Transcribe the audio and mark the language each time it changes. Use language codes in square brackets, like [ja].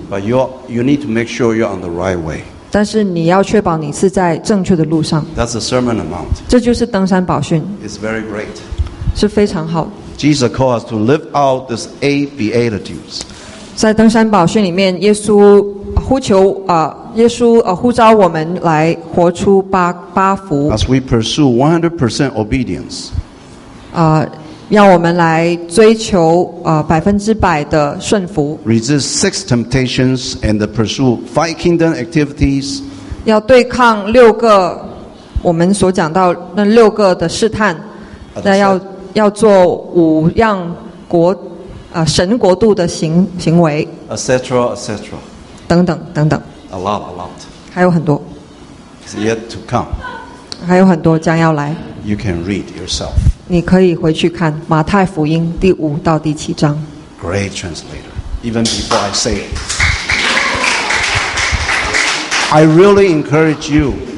[en] But you need to make sure you're on the right way。 [zh] 但是你要确保你是在正确的路上。 [en] That's the Sermon on the Mount. [zh] 这就是登山宝训。 [en] It's very great. [zh] 是非常好。 [en] Jesus called us to live out these eight beatitudes. [zh] 在登山宝训里面，耶稣呼求耶稣呼召我们来活出八福。 [en] As we pursue 100% obedience. [zh] 让我们来追求百分之百的顺服。 [en] Resist six temptations and pursue five kingdom activities. [zh] 要对抗六个我们所讲到那六个的试探，那要做五样神国度的行为。 [en] Etc. Etc. [zh] 等等等等。 [en] A lot, a lot. [zh] 还有很多。 [en] It's yet to come. [zh] 还有很多将要来。 [en] You can read yourself. [zh] 你可以回去看马太福音第五到第七章。 [en] Great translator. Even before I say it, I really encourage you.